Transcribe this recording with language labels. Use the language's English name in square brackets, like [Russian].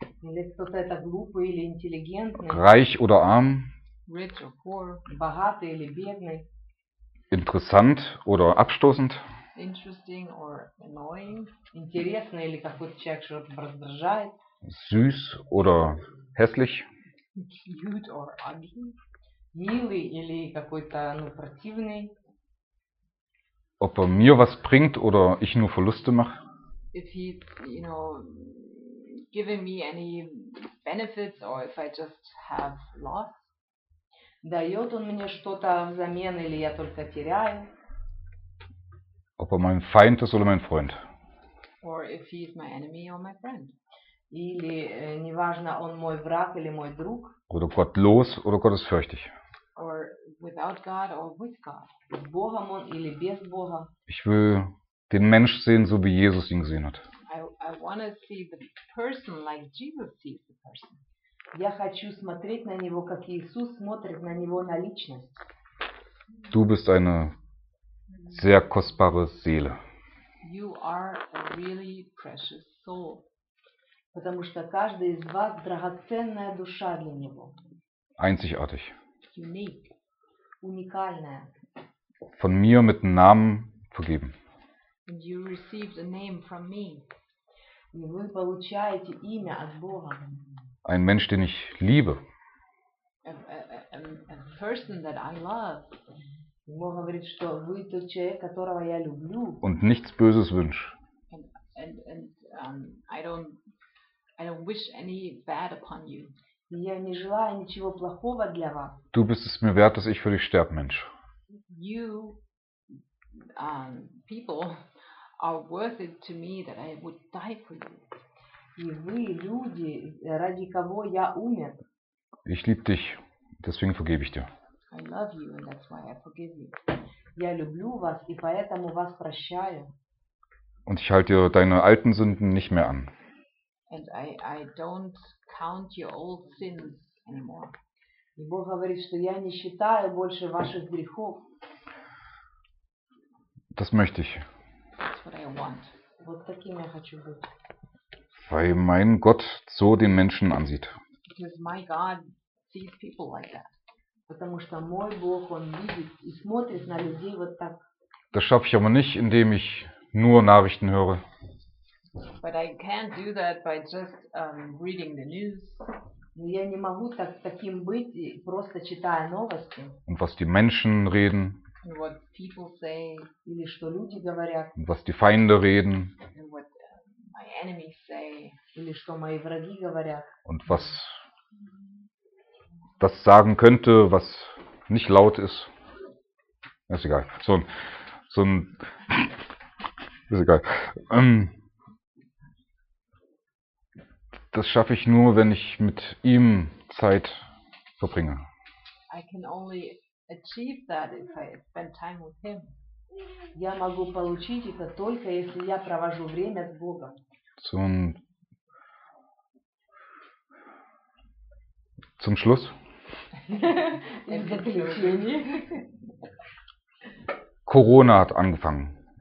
[Russian] Или кто-то это глупый или интеллигентный. [German] Reich oder arm. [English] Rich or poor. [Russian] Богатый или бедный. [German] Interessant oder abstoßend. [English] Interesting or annoying. [Russian] Интересный или какой-то человек, что раздражает. [German] Süß oder hässlich. [English] Cute or ugly. [Russian] Милый или какой-то ну, противный. [German] Ob er mir was bringt oder ich nur Verluste mache. [English] If he's, you know, giving me any benefits or if I just have loss. [Russian] Дает он мне что-то взамен или я только теряю. [German] Ob er mein Feind ist oder mein Freund. [English] Or if he's my enemy or my friend. [Russian] Или, неважно, он мой враг или мой друг. [German] Oder gottlos oder gottesfürchtig. [English] Or without God or with God. [Russian] С Богом он или без Бога. [German] Ich will den Mensch sehen, so wie Jesus ihn gesehen hat. [English] I want to see the person like Jesus sees the person. [Russian] Я хочу смотреть на него, как Иисус смотрит на него на личность. [German] Du bist eine sehr kostbare Seele. [English] You are a really precious soul. [Russian] Потому что каждый из вас драгоценная душа для него. [German] Einzigartig. [English] Unique. [Russian] Уникальная. [German] Von mir mit Namen vergeben. [English] And you received a name from me. [Russian] И вы получаете имя от Бога. [German] Ein Mensch, den ich liebe. [English] A person that I love. [Russian] И Бог говорит, что вы тот человек, которого я люблю. [German] Und nichts Böses wünsch. [English] And I don't wish any bad upon you. [Russian] И я не желаю ничего плохого для вас. [German] Du bist es mir wert, dass ich für dich sterbe, Mensch. [English] You, people. Are worth it to me that I would die for you. [Russian] И вы люди, ради кого я умер. [German] Ich liebe dich, deswegen vergebe ich dir. [English] I love you and that's why I forgive you. [Russian] Я люблю вас и поэтому вас прощаю. [German] Und ich halte deine alten Sünden nicht mehr an. [English] And I don't count your old sins anymore. [Russian] И Бог говорит, что я не считаю больше ваших грехов. [German] Das möchte ich. [English] That's what I want. [Russian] Вот таким я хочу быть. [German] Weil mein Gott so den Menschen ansieht. [English] Because my God sees people like that. [Russian] Потому что мой Бог, он видит и смотрит на людей вот так. [German] Das schaffe ich aber nicht, indem ich nur Nachrichten höre. [English] But I can't do that by just reading the news. [Russian] Но я не могу так таким быть, просто читая новости. [German] Und was die Menschen reden. [English] And what people say. [Russian] Или что люди говорят. [German] Und was die Feinde reden. [English] And what my enemies say. [Russian] Или что мои враги говорят. [German] Und was das sagen könnte, was nicht laut ist. Ist egal. Ist egal. Das schaffe ich nur, wenn ich mit ihm Zeit verbringe. [English] I can only achieve that if I spend time with him. [Russian] Я могу получить это только если я провожу время с Богом. [German] Zum Schluss. [English] In conclusion. [German] Corona hat angefangen.